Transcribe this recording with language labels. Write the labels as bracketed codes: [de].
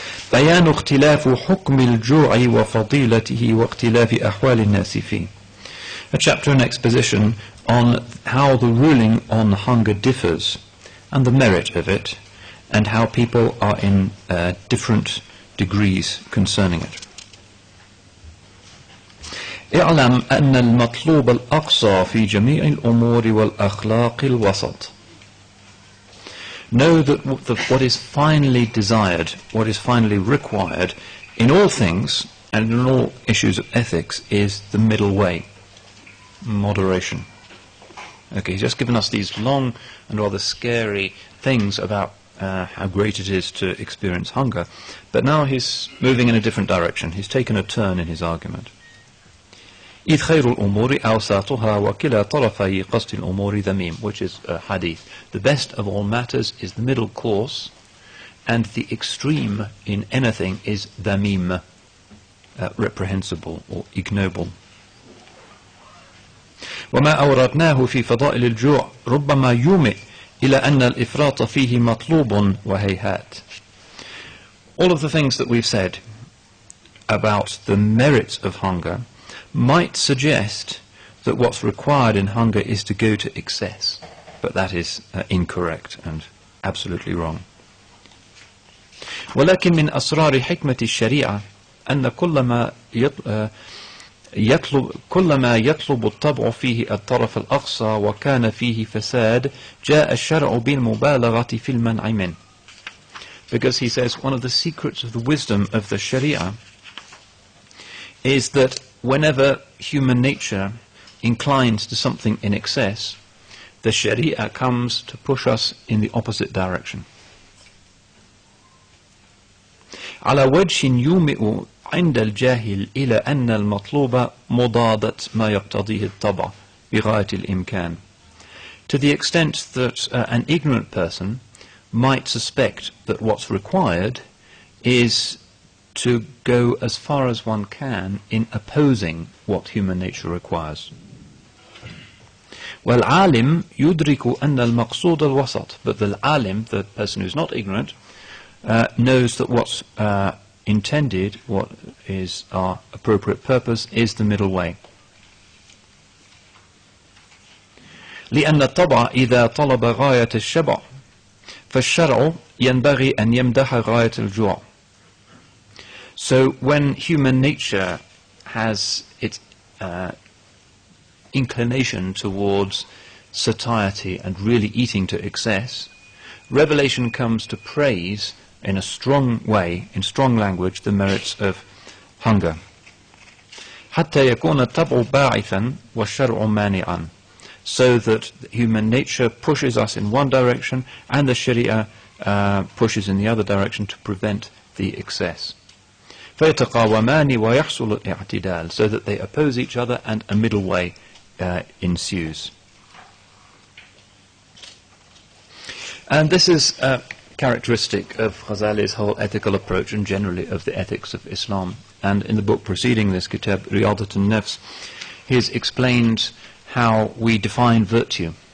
[ar] بَيَانُ اخْتِلَافُ حُكْمِ الْجُوعِ وَفَضِيلَتِهِ وَاخْتِلَافِ أَحْوَالِ النَّاسِ فِيهِ. [en] A chapter and exposition on how the ruling on hunger differs, and the merit of it, and how people are in different degrees concerning it. [ar] اعلم أن المطلوب الأقصى في جميع الأمور والأخلاق الوسط. [en] Know that what is finally desired, what is finally required, in all things and in all issues of ethics, is the middle way. Moderation. Okay, he's just given us these long and rather scary things about how great it is to experience hunger, but now he's moving in a different direction. He's taken a turn in his argument. [ar] إِذْ خَيْرُ الْأُمُورِ أَوْسَاطُهَا وَكِلَى طَرَفَيْ قَصْدِ الْأُمُورِ ذَمِيمٌ, [en] which is a hadith. The best of all matters is the middle course, and the extreme in anything is ذَمِيم, reprehensible or ignoble. [ar] وَمَا أَوْرَدْنَاهُ فِي فَضَائِلِ الْجُوعِ رُبَّمَا يُومِئْ إِلَىٰ أَنَّ الْإِفْرَاطَ فِيهِ مَطْلُوبٌ وَهَيْهَاتٌ. [en] All of the things that we've said about the merits of hunger might suggest that what's required in hunger is to go to excess, but that is incorrect and absolutely wrong. [ar] وَلَكِنْ مِنْ أَسْرَارِ حِكْمَةِ الشَّرِيعَةِ أَنَّ كُلَّ مَا يطلب كل ما يطلب الطبع فيه الطرف الأقصى وكان فيه فساد جاء الشرع بالمبالغة في المنع منه. [en] Because he says one of the secrets of the wisdom of the Sharia is that whenever human nature inclines to something in excess, the Sharia comes to push us in the opposite direction. [ar] على وجه يومئ عند الجاهل إلى أن المطلوب مضادة ما يقتضيه الطبع بغاية الإمكان. [en] To the extent that an ignorant person might suspect that what's required is to go as far as one can in opposing what human nature requires. [ar] والعالم يدرك أن المقصود الوسط. [en] But the alim, the person who's not ignorant, knows that what's intended, what is our appropriate purpose, is the middle way. [ar] لأن الطبع إذا طلب غاية الشبع فالشرع ينبغي أن يمدح غاية الجوع. [en] So when human nature has its inclination towards satiety and really eating to excess, revelation comes to praise in a strong way, in strong language, the merits of hunger. [ar] حتى يكون الطبع باعثا والشرع مانعا. [en] So that human nature pushes us in one direction and the Sharia pushes in the other direction to prevent the excess. [ar] فيتقاومان ويحصل الاعتدال. [en] So that they oppose each other and a middle way ensues. And this is characteristic of Ghazali's whole ethical approach and generally of the ethics of Islam. And in the book preceding this, Kitab Riyadat al-Nafs, he's explained how we define virtue.